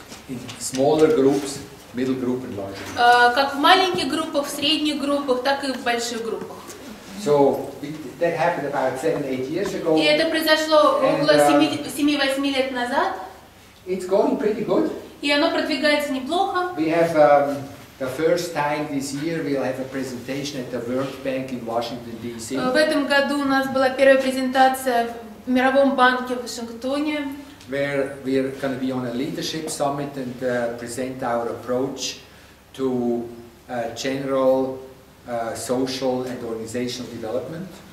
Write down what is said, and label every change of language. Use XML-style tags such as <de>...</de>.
<en>In smaller groups, middle group and larger groups.</en> <ru>Как в маленьких группах, в средних группах, так и в больших группах.</ru> <en>So that happened about 7-8 years ago.</en> <ru>И это произошло около 7-8 лет назад.</ru> <en>It's going pretty good.</en> <ru>И оно продвигается неплохо.</ru> <en>We have the first time this year we'll have a presentation at the World Bank in Washington D.C.</en> <ru>В этом году у нас была первая презентация в Мировом банке в Вашингтоне.</ru> <en>Where we're going to be on a leadership summit and present our approach to general social and organizational development.</en>